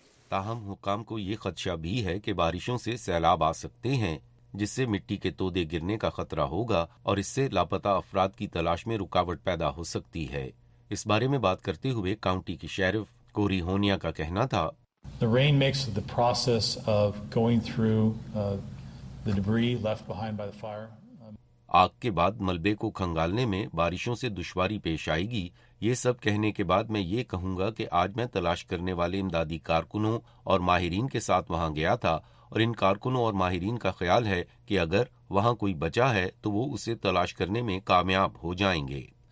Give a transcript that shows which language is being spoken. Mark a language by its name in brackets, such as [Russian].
[Urdu] تاہم حکام کو یہ خدشہ بھی ہے کہ بارشوں سے سیلاب آ سکتے ہیں، جس سے مٹی کے تودے گرنے کا خطرہ ہوگا اور اس سے لاپتہ افراد کی تلاش میں رکاوٹ پیدا ہو سکتی ہے۔ اس بارے میں بات کرتے ہوئے کاؤنٹی کی شیرف کوری ہونیا کا کہنا تھا، [English] The rain makes the process of going through the debris left behind by the fire. [Urdu] آگ کے بعد ملبے کو کھنگالنے میں بارشوں سے دشواری پیش آئے گی۔ یہ سب کہنے کے بعد میں یہ کہوں گا کہ آج میں تلاش کرنے والے امدادی کارکنوں اور ماہرین کے ساتھ وہاں گیا تھا، اور ان کارکنوں اور ماہرین کا خیال ہے کہ اگر وہاں کوئی بچا ہے تو وہ اسے تلاش کرنے میں کامیاب ہو جائیں گے۔